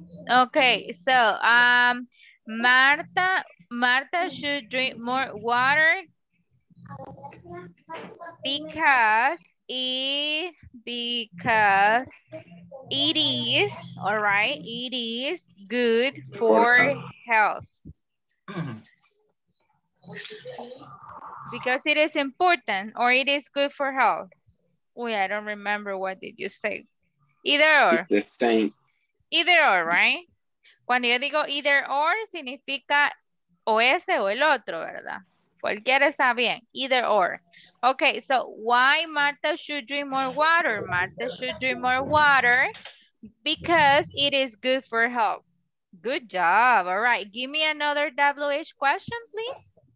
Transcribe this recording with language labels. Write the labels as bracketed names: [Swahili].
[English] Okay, so Martha should drink more water because it is, all right, it is good for health. Because it is important or it is good for health. Wait, I don't remember what did you say. Either or. It's the same. Either or, right? [Spanish] Cuando yo digo [English] either or, [Spanish] significa o ese o el otro, ¿verdad? Cualquiera está bien. [English] Either or. Okay, so why Martha should drink more water? Martha should drink more water because it is good for health. Good job. All right. Give me another WH question, please.